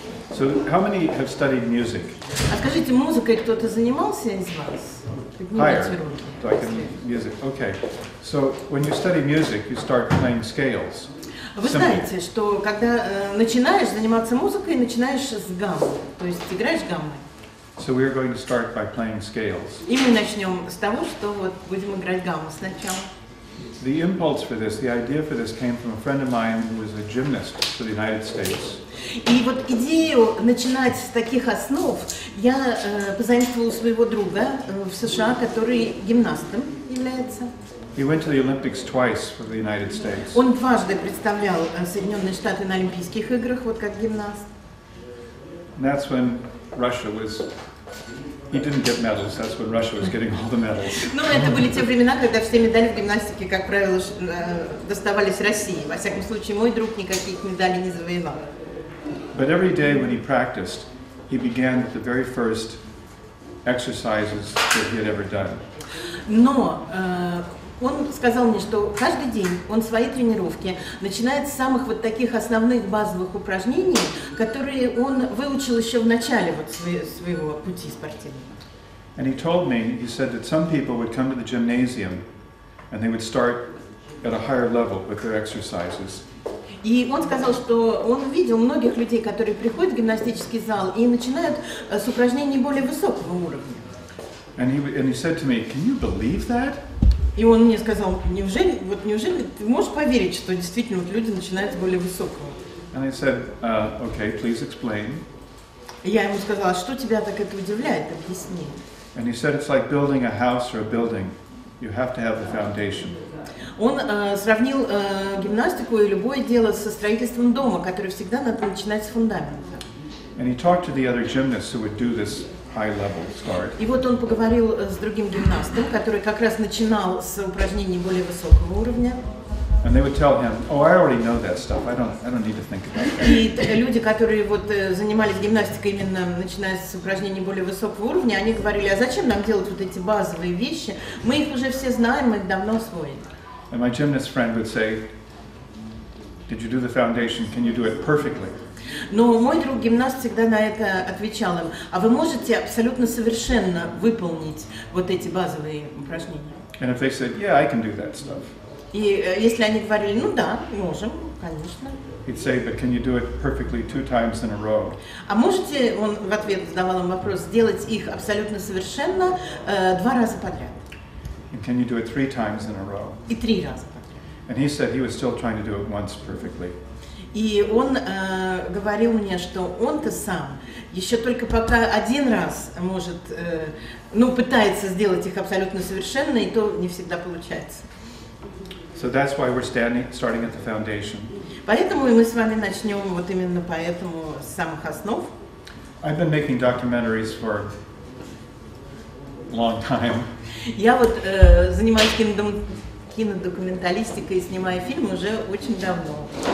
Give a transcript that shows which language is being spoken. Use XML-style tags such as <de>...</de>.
<en>So how many have studied music?</en> <ru>А скажите, музыкой кто-то занимался из вас?</ru> <en>Higher, so I can music. Okay, so when you study music, you start playing scales.</en> <ru>Вы знаете, что когда начинаешь заниматься музыкой, начинаешь с гаммы, то есть играешь гаммой.</ru> <en>So we are going to start by playing scales.</en> <ru>И мы начнем с того, что вот будем играть гамму сначала.</ru> <en>The impulse for this, the idea for this came from a friend of mine who was a gymnast for the United States.</en> <ru>И вот идею начинать с таких основ я позаимствовала у своего друга в США, который гимнастом является.</ru> <en>He went to the Olympics twice for the United States.</en> <ru>Он дважды представлял Соединенные Штаты на Олимпийских играх, вот как гимнаст.</ru> <en>And that's when Russia was... He didn't get medals, that's when Russia was getting all the medals.</en> <ru>Ну, это были те времена, когда все медали в гимнастике, как правило, доставались России. Во всяком случае, мой друг никаких медалей не завоевал.</ru> <en>But every day when he practiced, he began with the very first exercises that he had ever done.</en> <ru>Но он сказал мне, что каждый день он свои тренировки начинает с самых вот таких основных базовых упражнений, которые он выучил еще в начале вот своего пути спортивного.</ru> <en>And he told me, he said that some people would come to the gymnasium and they would start at a higher level with their exercises.</en> <ru>И он сказал, что он видел многих людей, которые приходят в гимнастический зал и начинают с упражнений более высокого уровня.</ru> <en>And he said to me, can you believe that?</en> <ru>И он мне сказал, неужели, вот неужели ты можешь поверить, что действительно вот люди начинают с более высокого?</ru> <en>And I said, okay, please explain.</en> <ru>Я ему сказала, что тебя так это удивляет, объясни.</ru> <en>And he said, it's like building a house or a building. You have to have the foundation.</en> <ru>Он сравнил гимнастику и любое дело со строительством дома, которое всегда надо начинать с фундамента.</ru> <en>And he talked to the other gymnasts who would do this high level start.</en> <ru>И вот он поговорил с другим гимнастом, который как раз начинал с упражнений более высокого уровня.</ru> <en>And they would tell him, "Oh, I already know that stuff. I don't need to think about that."</en> <ru>И люди, которые вот занимались гимнастикой именно начиная с упражнений более высокого уровня, они говорили: "А зачем нам делать вот эти базовые вещи? Мы их уже все знаем, мы их давно освоили."</ru> <en>And my gymnast friend would say, "Did you do the foundation? Can you do it perfectly?"</en> <ru>Но мой друг гимнаст всегда на это отвечал им: "А вы можете абсолютно совершенно выполнить вот эти базовые упражнения?"</ru> <en>And if they said, "Yeah, I can do that stuff."</en> <ru>И если они говорили, ну да, можем, конечно.</ru> <en>He'd say, but can you do it perfectly two times in a row?</en> <ru>А можете, он в ответ задавал им вопрос, сделать их абсолютно совершенно два раза подряд?</ru> <en>And can you do it three times in a row?</en> <ru>И три раза подряд.</ru> <en>And he said he was still trying to do it once perfectly.</en> <ru>И он говорил мне, что он-то сам еще только пока один раз может, ну пытается сделать их абсолютно совершенно, и то не всегда получается.</ru> <en>So that's why we're starting at the foundation.</en> <ru>Поэтому мы с вами начнем вот именно поэтому с самых основ.</ru> <en>I've been making documentaries for a long time.</en> <ru>Я вот занимаюсь кинодокументалистикой и снимаю фильмы уже очень давно.</ru>